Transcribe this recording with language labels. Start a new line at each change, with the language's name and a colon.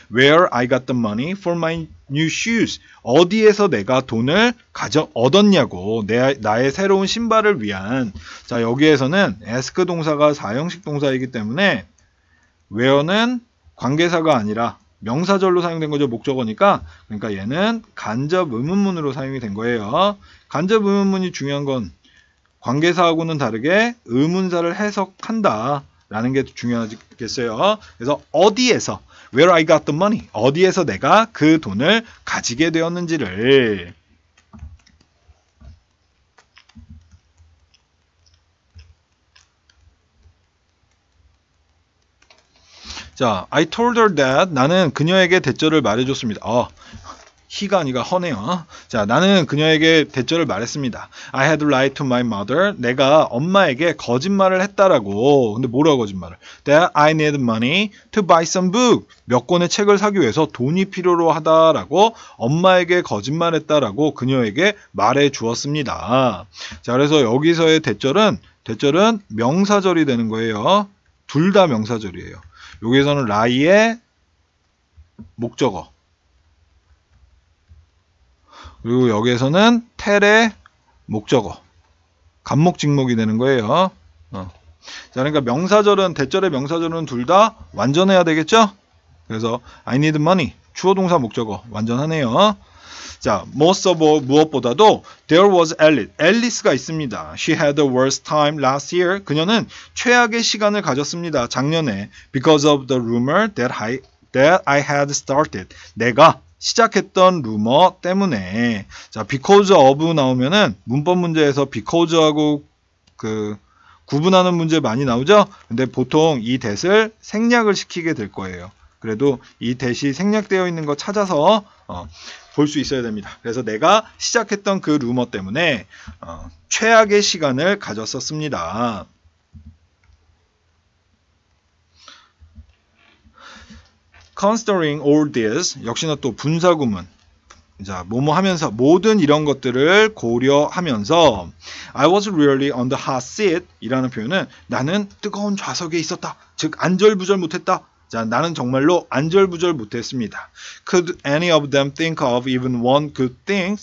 English: Where I got the money for my new shoes?
Korean: 어디에서 내가 돈을 얻었냐고. 나의 새로운 신발을 위한. 자, 여기에서는 ask 동사가 4형식 동사이기 때문에 where는 관계사가 아니라 명사절로 사용된 거죠. 목적어니까. 그러니까 얘는 간접 의문문으로 사용이 된 거예요. 간접 의문문이 중요한 건 관계사하고는 다르게 의문사를 해석한다라는 게 중요하겠어요. 그래서 어디에서
English: where I got the money
Korean: 어디에서 내가 그 돈을 가지게 되었는지를. 자,
English: I told her that
Korean: 나는 그녀에게 대절을 말해줬습니다. 어, he가 아니라 her네요. 자, 나는 그녀에게 대절을 말했습니다.
English: I had lied to my mother.
Korean: 내가 엄마에게 거짓말을 했다라고. 근데 뭐라고 거짓말을?
English: That I need money to buy some book.
Korean: 몇 권의 책을 사기 위해서 돈이 필요로 하다라고 엄마에게 거짓말했다라고 그녀에게 말해주었습니다. 자, 그래서 여기서의 대절은 명사절이 되는 거예요. 둘 다 명사절이에요. 여기에서는 라이의 목적어. 그리고 여기에서는 텔의 목적어. 갑목, 직목이 되는 거예요. 자, 그러니까 명사절은, 대절의 명사절은 둘 다 완전해야 되겠죠? 그래서
English: I need money. 주어 동사 목적어. 완전하네요. 자, most of all,
Korean: 무엇보다도
English: there was Alice.
Korean: 앨리스가 있습니다.
English: She had the worst time last year.
Korean: 그녀는 최악의 시간을 가졌습니다. 작년에.
English: Because of the rumor that I had started.
Korean: 내가 시작했던 루머 때문에. 자,
English: because of
Korean: 나오면은 문법 문제에서 because하고 그 구분하는 문제 많이 나오죠? 근데 보통 이 that을 생략을 시키게 될 거예요. 그래도 이 that이 생략되어 있는 거 찾아서 볼 수 있어야 됩니다. 그래서 내가 시작했던 그 루머 때문에 최악의 시간을 가졌었습니다.
English: 'Considering all this',
Korean: 역시나 또 분사구문. 자, 뭐뭐 하면서 모든 이런 것들을 고려하면서
English: I was really on the hot seat
Korean: 이라는 표현은 나는 뜨거운 좌석에 있었다. 즉 안절부절 못했다. 자, 나는 정말로 안절부절 못했습니다.
English: Could any of them think of even one good thing?